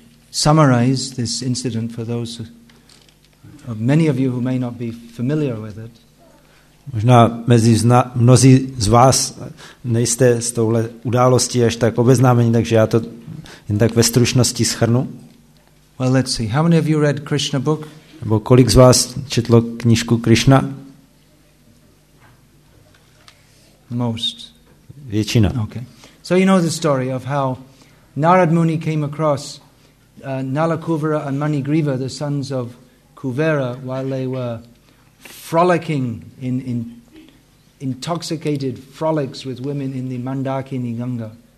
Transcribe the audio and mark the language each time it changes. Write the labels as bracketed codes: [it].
[en] Summarize this incident for those of many of you who may not be familiar with it. [cs] Možná mnozí z vás nejste s touhle událostí až tak obeznámeni, takže já to jen tak ve stručnosti shrnu. [en] Well, let's see. How many of you read Krishna book? [cs] Nebo kolik z vás četlo knížku Krishna? [en] Most. [cs] Většina. [en] Okay. So you know the story of how Narad Muni came across Nalakuvara and Manigriva, the sons of Kuvera, while they were frolicking in intoxicated frolics with women in the Mandakini Ganga.